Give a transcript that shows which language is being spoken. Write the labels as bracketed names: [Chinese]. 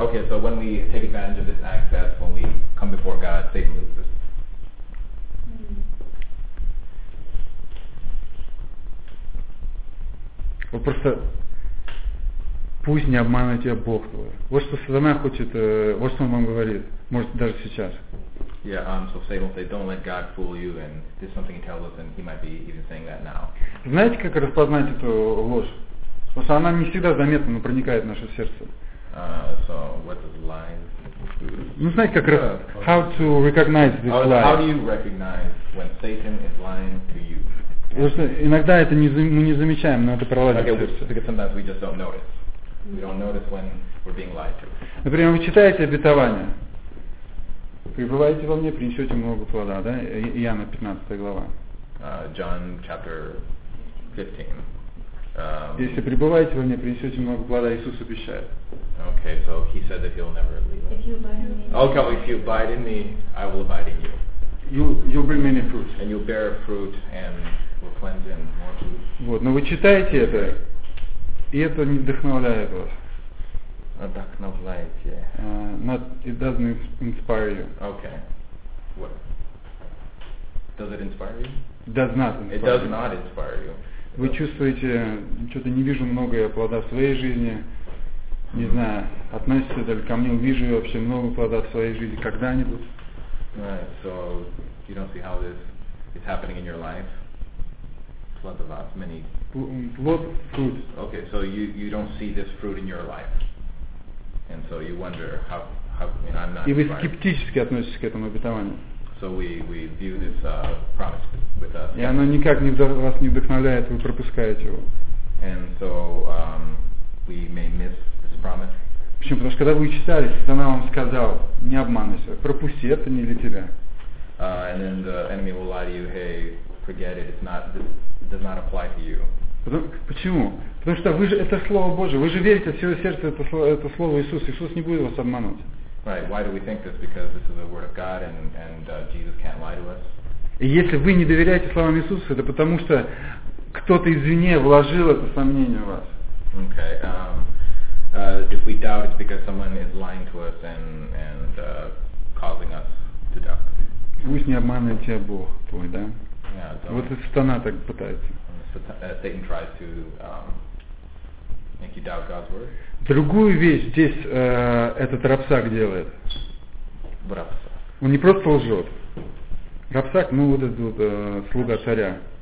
[English] Okay, so when we take advantage of this access, when we come before God, Satan loses. [Russian] Вот просто пусть не обманывает тебя Бог твой. Вот что сатана хочет, вот что он вам говорит, может даже сейчас. [English] Yeah, so Satan will say, don't let God fool you, and this is something he tells us, and he might be even saying that now. [Russian] Знаете, как распознать эту ложь? Потому что она не всегда заметна, но проникает в наше сердце. [English] So what is lies? [Russian] Ну знаете, как [English] how to recognize this lie? How do you recognize when Satan is lying to you? [Russian] Потому что иногда это мы не замечаем, но это пролазит. [English] Okay, because sometimes we just don't notice. We don't notice when we're being lied to. [Russian] Например, вы читаете обетование. Пребывайте во мне, принесете много плода, да? Иоанна 15 глава. [English] John chapter 15. [Russian] Если пребываете во мне, принесете много плода, Иисус обещает. [English] Okay, so he said that he'll never leave. If you abide in me. Okay, if you abide in me, I will abide in you. You'll bring many fruits. And you'll bear fruit and will cleanse and more fruit. [Russian] Вот, но вы читаете это, и это не вдохновляет вас. Вдохновляет, yeah. [English] It doesn't inspire you. Okay. What? Does it inspire you? Does not inspire you. It does not inspire you. [Russian] Вы чувствуете, что-то не вижу много я плода в своей жизни, не знаю, относится ли ко мне, увижу я вообще много плода в своей жизни когда-нибудь. [English] Right, so you don't see how this is happening in your life. Plod of us, many. Plod, fruit. Okay, so you don't see this fruit in your life. And so you wonder how I'm not. [Russian] И вы скептически относитесь к этому обетованию. [English] So we view this promise with us. [Russian] И оно никак не вас не вдохновляет, вы пропускаете его. [English] And so we may miss this promise. [Russian] Почему? Потому что когда вы читали, сатана вам сказал, не обманывайся, пропусти, это не для тебя. [English] And then the enemy will lie to you, hey, forget it, does not apply to you. [Russian] Почему? Потому что вы же это Слово Божие, вы же верите от всего сердца это Слово Иисус, Иисус не будет вас обманывать. [English] Right, why do we think this? Because this is the Word of God and Jesus can't lie to us. [Russian] И если вы не доверяете словам Иисуса, это потому что кто-то извне вложил это сомнение в вас. [English] Okay, if we doubt, it's because someone is lying to us and causing us to doubt. [Russian] Пусть не обманывает тебя Бог твой, да? [English] Yeah, [Russian] вот это сатана так пытается. [English] Satan tries to make you doubt God's word. [Russian] Другую вещь здесь этот Рабсак делает. Рабсак. Он не просто лжет. Рабсак, ну вот этот вот слуга царя.